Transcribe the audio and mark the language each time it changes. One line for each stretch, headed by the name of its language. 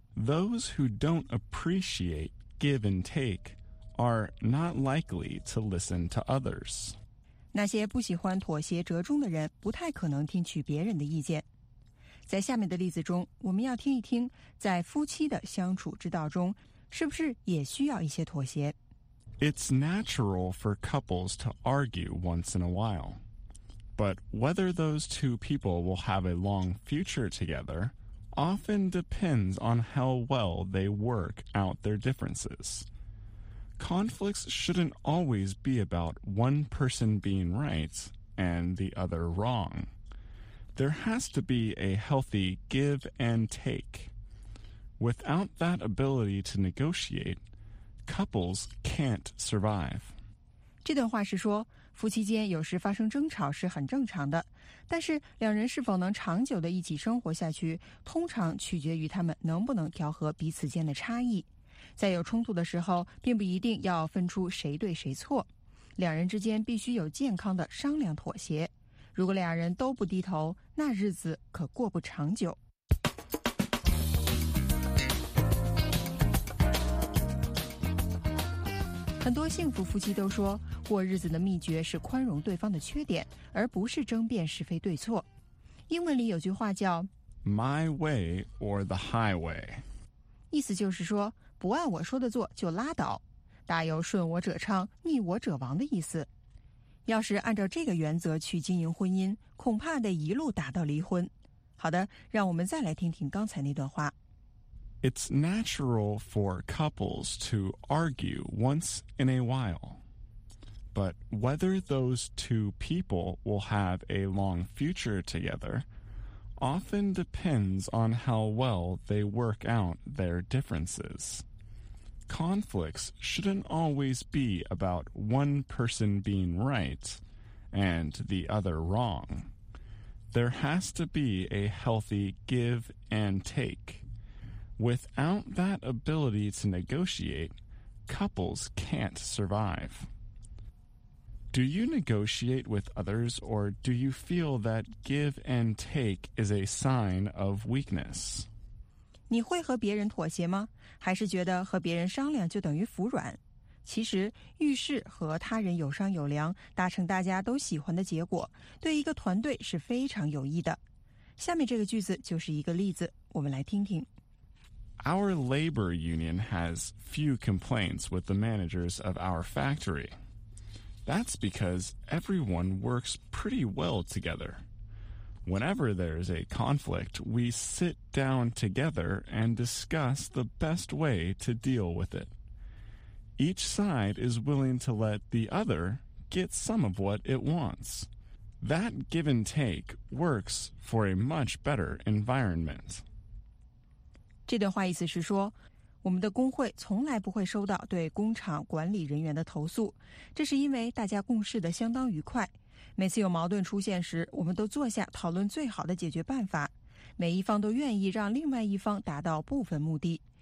English: Those who don't appreciate give and take are not likely to listen to others.
Chinese: 那些不喜欢妥协折中的人不太可能听取别人的意见在下面的例子中我们要听一听在夫妻的相处之道中是不是也需要一些妥协
English: It's natural for couples to argue once in a while. But whether those two people will have a long future together often depends on how well they work out their differences. Conflicts shouldn't always be about one person being right and the other wrong. There has to be a healthy give and take. Without that ability to negotiate, couples can't survive.
Chinese: 这段话是说，夫妻间有时发生争吵是很正常的，但是两人是否能长久地一起生活下去，通常取决于他们能不能调和彼此间的差异。在有冲突的时候，并不一定要分出谁对谁错，两人之间必须有健康的商量妥协。如果两人都不低头，那日子可过不长久。很多幸福夫妻都说，过日子的秘诀是宽容对方的缺点，而不是争辩是非对错。英文里有句话叫
English: My way or the highway，
Chinese: 意思就是说不按我说的做就拉倒，大有顺我者昌逆我者亡的意思。要是按照这个原则去经营婚姻，恐怕得一路打到离婚。好的，让我们再来听听刚才那段话。
English: It's natural for couples to argue once in a while. But whether those two people will have a long future together often depends on how well they work out their differences. Conflicts shouldn't always be about one person being right and the other wrong. There has to be a healthy give and take. Without that ability to negotiate, couples can't survive. Do you negotiate with others, or do you feel that give and take is a sign of weakness?
Chinese: 你会和别人妥协吗？还是觉得和别人商量就等于服软？其实，遇事和他人有商有量，达成大家都喜欢的结果，对一个团队是非常有益的。下面这个句子就是一个例子，我们来听听。
English: Our labor union has few complaints with the managers of our factory. That's because everyone works pretty well together. Whenever there's a conflict, we sit down together and discuss the best way to deal with it. Each side is willing to let the other get some of what it wants. That give and take works for a much better environment.
Chinese: 这段话意思是说，我们的工会从来不会收到对工厂管理人员的投诉，这是因为大家共事的相当愉快。每次有矛盾出现时，我们都坐下讨论最好的解决办法，每一方都愿意让另外一方达到部分目的。